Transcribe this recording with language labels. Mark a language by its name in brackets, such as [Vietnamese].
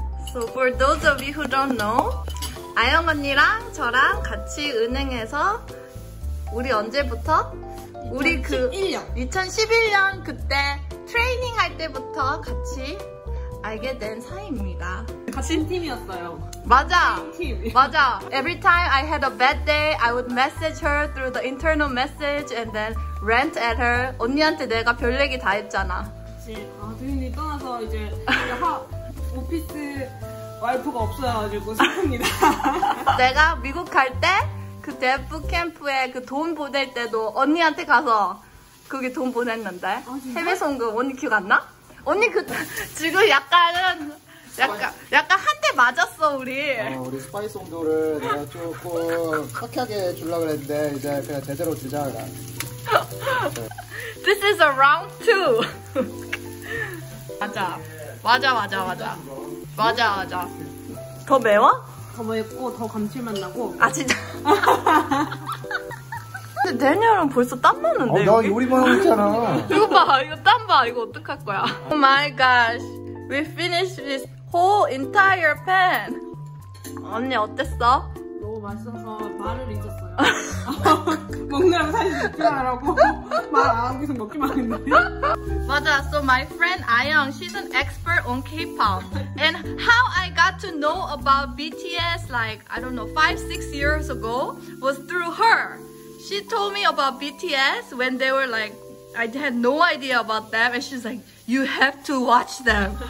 [English] So for those of you who don't know, [Korean] 아영 언니랑 저랑 같이 은행에서 우리 언제부터? 우리 그 2011년 그때 트레이닝 할 때부터 같이 알게 된 사이입니다. 같이 팀이었어요. 맞아. 팀. 맞아. [English] Every time I had a bad day, I would message her through the internal message and then rant at her. [Korean] 언니한테 내가 별 얘기 다 했잖아. 그치. 아, 드윈이 떠나서 이제 오피스 와이프가 없어가지고 슬픕니다. 내가 미국 갈 때 그 데프 캠프에 그 돈 보낼 때도 언니한테 가서 거기 돈 보냈는데. 아, 해외 송금 언니 기억 안 나? 언니 그 지금 약간 한 대 맞았어 우리. 우리 스파이스 온도를 내가 조금 착하게 주려고 그랬는데 이제 그냥 제대로 주자. 네. [English] This is a round two. [Korean] 맞아. 맞아 맞아 맞아. 맞아 맞아. 더 매워? 더 맵고 더 감칠맛 나고. 아 진짜. 근데 데니얼은 벌써 땀 나는데. 나 요리만 하고 있잖아. 이거 봐, 이거 땀 봐. 이거 어떡할 거야? [English] Oh my gosh, we finished this whole entire pan. [Korean] 언니 어땠어? 너무 맛있어서 말을 잊었어요. 먹느라고 사실 느끼느라고 말 안 하고 계속 먹기만 했는데. 맞아. [English] So my friend Ayoung, she's an expert on K-pop. And how I got to know about BTS, like I don't know, 5-6 years ago, was through her. She told me about BTS when they were like I had no idea about them. And she's like, you have to watch them.